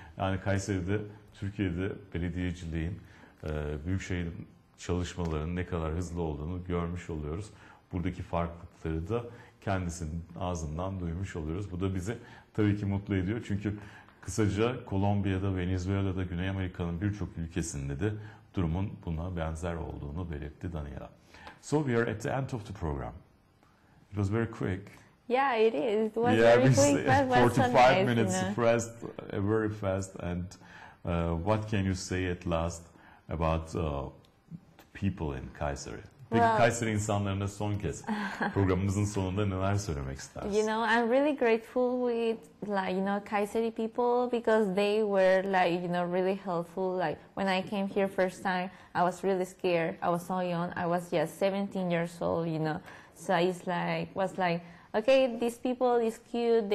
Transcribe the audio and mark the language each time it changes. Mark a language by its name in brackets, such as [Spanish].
[Turkish] Yani Kayseri'de, Türkiye'de belediyeciliğin, büyükşehir çalışmalarının ne kadar hızlı olduğunu görmüş oluyoruz. Buradaki farklılıkları da kendisinin ağzından duymuş oluyoruz. Bu da bizi tabii ki mutlu ediyor. Çünkü kısaca Kolombiya'da, Venezuela'da, Güney Amerika'nın birçok ülkesinde de durumun buna benzer olduğunu belirtti Daniela. [English] So we are at the end of the program. It was very quick. Yeah, it is. It was very quick. 45 minutes fast, very fast. And what can you say at last about the people in Kayseri? [Turkish] Peki well, Kayseri insanlarına son kez programımızın sonunda neler söylemek istersin? [English] You know, I'm really grateful with like, you know, Kayseri people because they were like, you know, really helpful. Like when I came here first time, I was really scared. I was so young. I was just 17 years old, you know. So it's like, was like, okay, these people is cute.